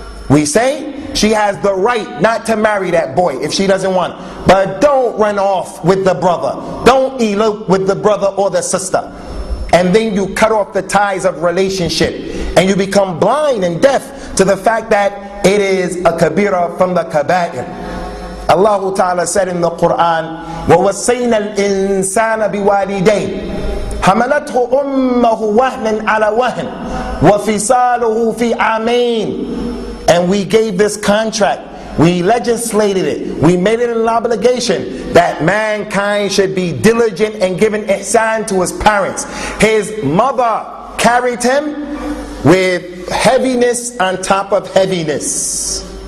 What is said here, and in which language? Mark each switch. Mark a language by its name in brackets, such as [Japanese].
[English] We say she has the right not to marry that boy if she doesn't want. But don't run off with the brother. Don't elope with the brother or the sister. And then you cut off the ties of relationship. And you become blind and deaf to the fact that it is a kabira from the kabair. [Arabic] Allah Ta'ala said in the Quran, وَوَسَيْنَا الْإِنسَانَ بِوَالِدَيْنِ حَمَلَتْهُ أُمَّهُ وَهْنًا عَلَى وَهْنٍ وَفِصَالُهُ فِي عَامَيْنِ. [English] And we gave this contract. We legislated it. We made it an obligation that mankind should be diligent and giving ihsan to his parents. His mother carried him with heaviness on top of heaviness.